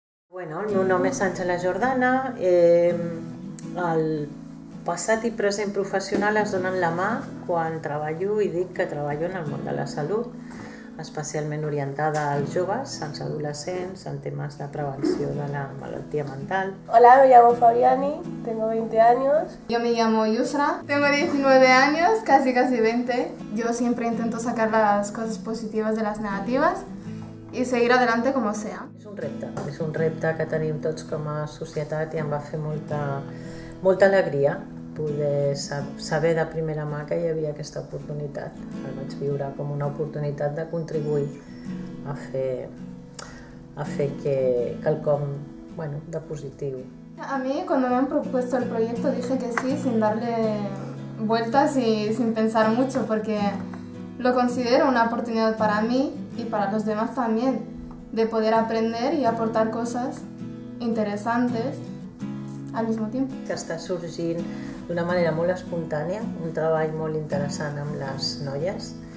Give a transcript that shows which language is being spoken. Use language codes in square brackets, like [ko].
[ca] Bueno, el meu nom és Àngela Jordana. El passat i present professional es donen la mà quan treballo i dic que treballo en el món de la salut, especialment orientada als joves, als adolescents, en temes de prevenció de la malaltia mental. [es] Hola, me llamo Fabiani, tengo 20 años. Yo me llamo Yusra, tengo 19 años, casi 20. Yo siempre intento sacar las cosas positivas de las negativas y seguir adelante como sea. [ca] És un repte que tenim tots com a societat i em va fer molta molta alegria poder saber de primera mà que hi havia aquesta oportunitat. El vaig viure com una oportunitat de contribuir a fer que quelcom, bueno, de positiu. [es] A mi, quan me han propuesto el proyecto, dije que sí, sin darle vueltas y sin pensar mucho, porque lo considero una oportunidad para mí y para los demás también, de poder aprender y aportar cosas interesantes al mismo tiempo. [ca] Està sorgint d'una manera molt espontània, un treball molt interessant amb les noies.